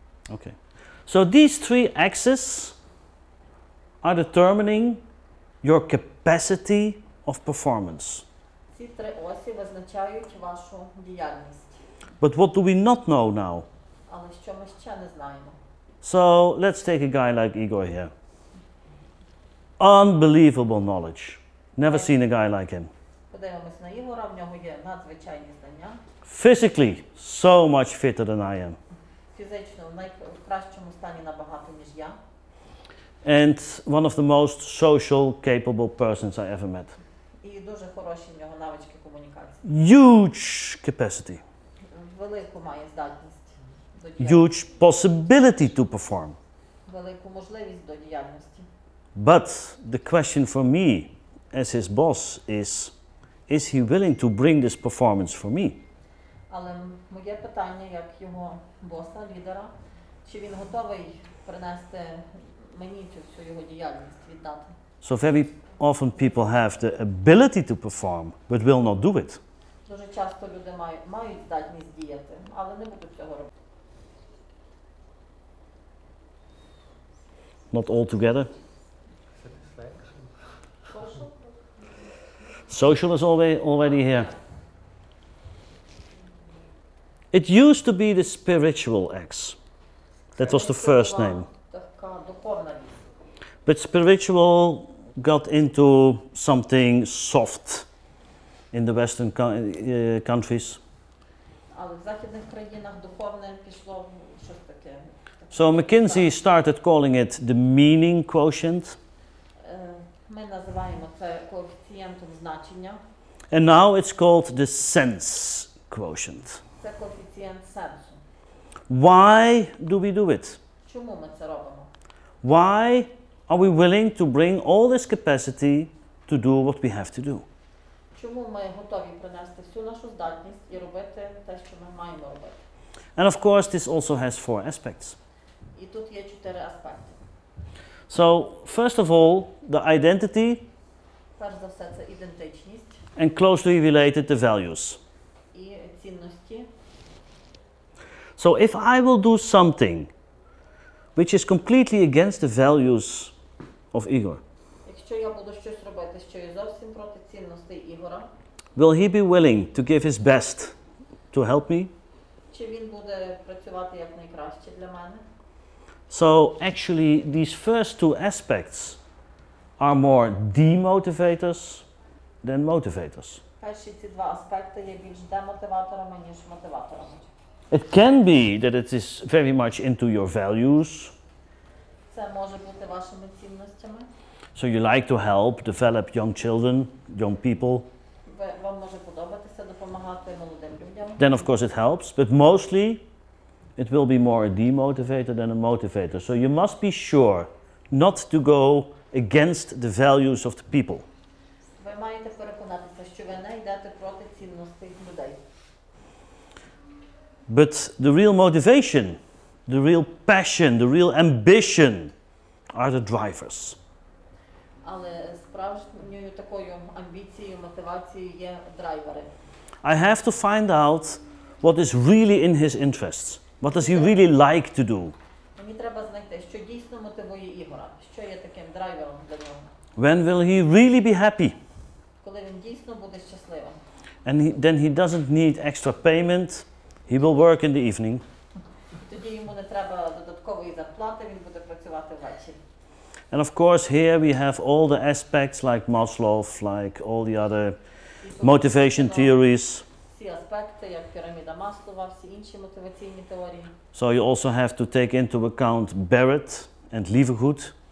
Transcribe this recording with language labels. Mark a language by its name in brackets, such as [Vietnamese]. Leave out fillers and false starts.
[English] Okay. So these three axes are determining your capacity of performance. [Ukrainian] Ці три осі визначають вашу діяльність. [English] But what do we not know now? [Ukrainian] Але що ми ще не знаємо? [English] So let's take a guy like Igor here. Unbelievable knowledge. Never seen a guy like him. [Ukrainian] Подивимось на Ігора, в нього є надзвичайні знання. [English] Physically, so much fitter than I am. [Ukrainian] Фізично в найкращому стані набагато, ніж я. [English] And one of the most social capable persons I ever met. [Ukrainian] І дуже хороші в нього навички комунікації. [English] Huge capacity. [Ukrainian] Велику має здатність. [English] Huge possibility to perform. [Ukrainian] Велику можливість до діяльності. [English] But the question for me as his boss is he willing to bring this performance for me? [Ukrainian] Але моє питання як його боса, лідера, чи він готовий принести мені цю всю його діяльність віддати. [English] So very often people have the ability to perform, but will not do it. [Ukrainian] Дуже часто люди мають здатність діяти, але не будуть цього робити. [English] Not all together. Social. Social is already here. It used to be the spiritual axe. That was the first name. [Ukrainian] The духовна віра. [English] But spiritual got into something soft in the Western countries. [Ukrainian] Але в західних країнах духовне пішло щось таке. [English] So McKinsey started calling it the meaning quotient. [Ukrainian] Ми називаємо це коефіцієнтом значення. [English] And now it's called the sense quotient. [Ukrainian] Це коефіцієнт сенсу. [English] Why do we do it? [Ukrainian] Чому ми це робимо? [English] Why are we willing to bring all this capacity to do what we have to do? [Ukrainian] Чому ми готові принести всю нашу здатність і робити те, що ми маємо робити? [English] And of course this also has four aspects. [Ukrainian] І тут є чотири аспекти. [English] So, first of all, the identity. [Ukrainian] Перш за все, це ідентичність. [English] And closely related the values. [Ukrainian] І цінності. [English] So, if I will do something which is completely against the values of Igor. [Ukrainian] Якщо я буду щось робити, що є зовсім проти цінностей Ігора. [English] Will he be willing to give his best to help me? [Ukrainian] Чи він буде працювати як найкраще для мене? [English] So actually these first two aspects are more demotivators than motivators. [Ukrainian] Перші ці два аспекти є більш демотиваторами, ніж мотиваторами. [English] It can be that it is very much into your values. [Ukrainian] Це може бути вашими цінностями. [English] So you like to help develop young children, young people. [Ukrainian] Вам може подобатися допомагати молодим людям. [English] Then of course it helps, but mostly it will be more a demotivator than a motivator. So you must be sure not to go against the values of the people. [Ukrainian] Ви маєте переконатися, що ви не йдете проти цінностей людей. [English] But the real motivation, the real passion, the real ambition are the drivers. [Ukrainian] Але справжньою такою амбіцією, мотивацією є драйвери. [English] I have to find out what is really in his interests. What does he really like to do? [Ukrainian] Мені треба знайти, що дійсно мотивує Ігора, що є таким драйвером для нього. [English] When will he really be happy? [Ukrainian] Коли він дійсно буде щасливим. [English] And then he doesn't need extra payment. He will work in the evening. [Ukrainian] Тоді йому не треба додаткової зарплати, він буде працювати ввечері. [English] And of course here we have all the aspects like Maslow, like all the other motivation theories. [Ukrainian] Всі аспекти, як піраміда Маслова, всі інші мотиваційні теорії. [English] So you also have to take into account Barrett and Levergood.